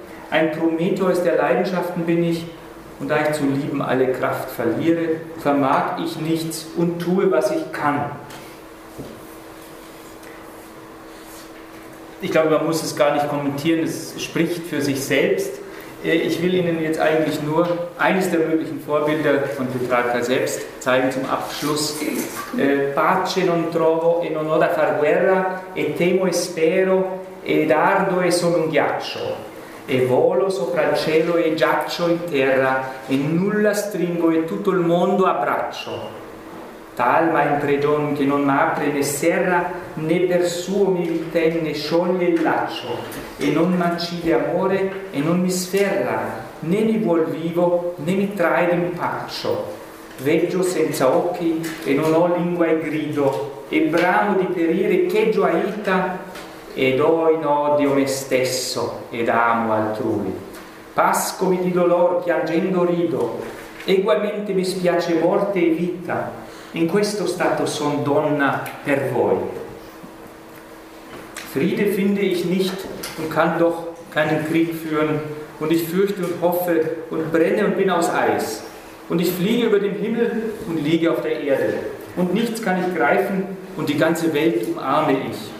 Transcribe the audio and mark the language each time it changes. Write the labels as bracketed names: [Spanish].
[German] Ein Prometheus der Leidenschaften bin ich, und da ich zu lieben alle Kraft verliere, vermag ich nichts und tue, was ich kann. Ich glaube, man muss es gar nicht kommentieren, es spricht für sich selbst. Ich will Ihnen jetzt eigentlich nur eines der möglichen Vorbilder von Petrarca selbst zeigen zum Abschluss. [Italian] Pace non trovo e non ho da far guerra, e temo e spero, e dardo e sono un ghiaccio, e volo sopra il cielo e giaccio in terra, e nulla stringo e tutto il mondo abbraccio. Talma in prigion che non apre né serra, né per suo mi ritenne scioglie il laccio, e non m'accide amore e non mi sferra, né mi vuol vivo né mi trae d'impaccio. Veggio senza occhi e non ho lingua e grido, e bramo di perire che gioaita, ed ho in odio me stesso ed amo altrui. Pascomi di dolor piangendo rido, egualmente mi spiace morte e vita. In questo stato son donna per voi. [German] Friede finde ich nicht und kann doch keinen Krieg führen und ich fürchte und hoffe und brenne und bin aus Eis und ich fliege über den Himmel und liege auf der Erde und nichts kann ich greifen und die ganze Welt umarme ich.